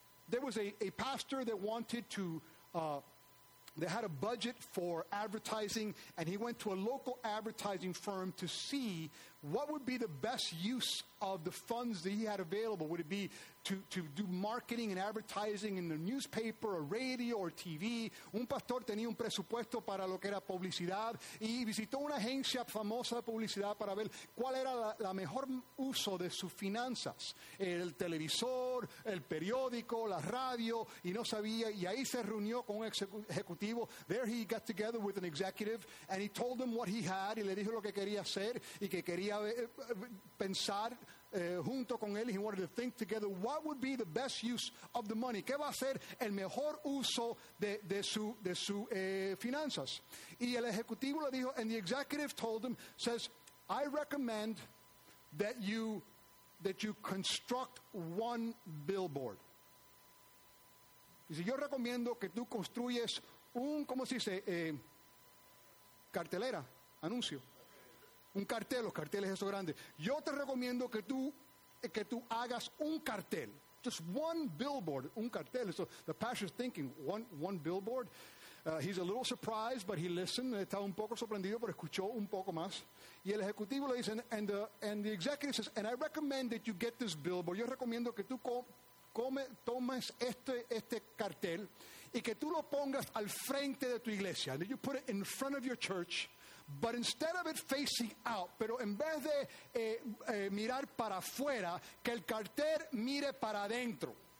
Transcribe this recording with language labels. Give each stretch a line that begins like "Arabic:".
English: There was a pastor that wanted to, they had a budget for advertising, and he went to a local advertising firm to see what would be the best use of the funds that he had available. Would it be to do marketing and advertising in the newspaper or radio or TV?
Spanish: Un pastor tenía un presupuesto para lo que era publicidad y visitó una agencia famosa de publicidad para ver cuál era la mejor uso de sus finanzas. El televisor, el periódico, la radio, y no sabía. Y ahí se reunió con un ejecutivo.
English: There he got together with an executive and he told him what he had,
Spanish: y le dijo lo que quería hacer y que quería pensar. Junto con él,
English: he wanted to think together what would be the best use of the money.
Spanish: ¿Qué va a ser el mejor uso de su finanzas? Y el ejecutivo le dijo,
English: and the executive told him, says, I recommend that you construct one billboard.
Spanish: Dice, yo recomiendo que tú construyes un, ¿cómo se dice? Cartelera, anuncio. Un cartel, los carteles esos grandes. Yo te recomiendo que tú hagas un cartel.
English: Just one billboard, un cartel. So the pastor's thinking, one billboard. He's a little surprised, but he listened.
Spanish: Estaba un poco sorprendido, pero escuchó un poco más. Y el ejecutivo le dice,
English: and the executive says, and I recommend that you get this billboard.
Spanish: Yo recomiendo que tú tomes este cartel y que tú lo pongas al frente de tu iglesia.
English: And you put it in front of your church. But instead of it facing out,
Spanish: pero en vez de mirar para afuera, que el cartel mire para adentro.